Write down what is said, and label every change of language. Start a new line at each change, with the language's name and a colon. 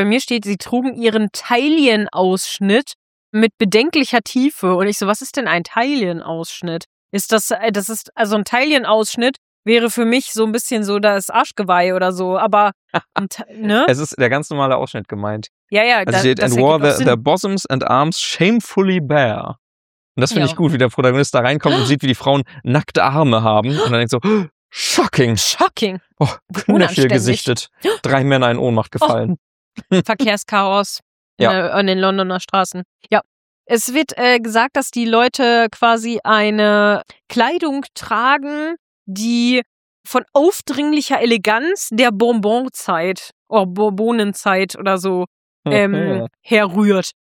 German: Bei mir steht, sie trugen ihren Taillenausschnitt mit bedenklicher Tiefe. Und ich so, was ist denn ein Taillenausschnitt? Ist das ist, also ein Taillenausschnitt wäre für mich so ein bisschen so das Arschgeweih oder so, aber ne? Es ist der ganz normale Ausschnitt gemeint. Ja. Also steht,
English: and wore their bosoms and arms shamefully bare.
German: Und das finde ich gut, wie der Protagonist da reinkommt und sieht, wie die Frauen nackte Arme haben. Und dann denkt so, shocking.
English: Shocking.
German: Oh, knöchel gesichtet. 3 Männer in Ohnmacht gefallen. Oh. Verkehrschaos an den Londoner Straßen. Ja. Es wird gesagt, dass die Leute quasi eine Kleidung tragen, die von aufdringlicher Eleganz der Bonbonzeit oder Bourbonenzeit oder so herrührt.